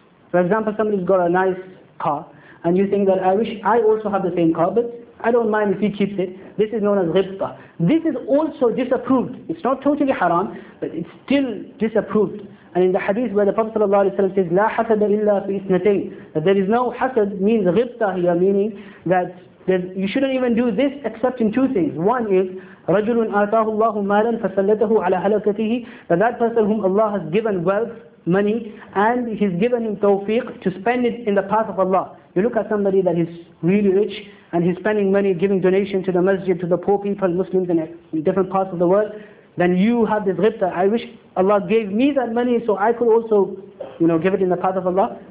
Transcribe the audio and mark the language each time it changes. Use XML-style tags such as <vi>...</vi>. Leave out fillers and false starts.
<en>For example, somebody's got a nice car, and you think that I wish I also have the same car, but I don't mind if he keeps it. This is known as ghibta. This is also disapproved. It's not totally haram, but it's still disapproved. And in the hadith where the Prophet sallallahu alaihi wasallam says,</en> <ar>لا حسد إلا في إثنتين,</ar> <en>that there is no hasad, means ghibta here, meaning that you shouldn't even do this except in two things. One is</en> <ar>رَجُلٌ آتَاهُ اللَّهُ مَالًا فَسَلَّتَهُ عَلَىٰ هَلَكَتِهِ.</ar> <en>That person whom Allah has given wealth, money, and He's given him tawfiq to spend it in the path of Allah. You look at somebody that is really rich and he's spending money, giving donation to the masjid, to the poor people, Muslims in different parts of the world, then you have this ghibta. I wish Allah gave me that money so I could also, you know, give it in the path of Allah.</en>